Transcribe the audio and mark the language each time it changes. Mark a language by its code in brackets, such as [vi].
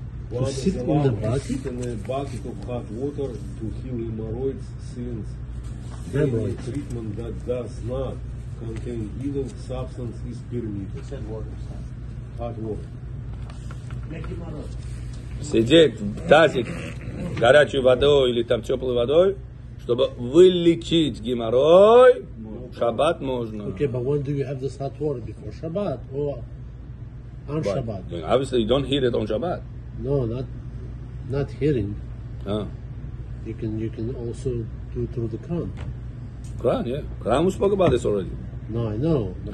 [en] Gosh sit in the bucket? In a bucket of hot water to heal hemorrhoids since a treatment that does not contain either substance is permitted. Said water. Hot water. [ru] Сидеть в тазик горячей водой или там теплой водой. Чтобы вылечить геморрой, Шаббат можно. [en] Okay, but when do you have this hot water? Before Shabbat or on Shabbat? I mean, obviously, you don't heat it on Shabbat. No, not heating. You can also do it through the crown. Crown, yeah. Crown, we spoke about this already. No, I know. But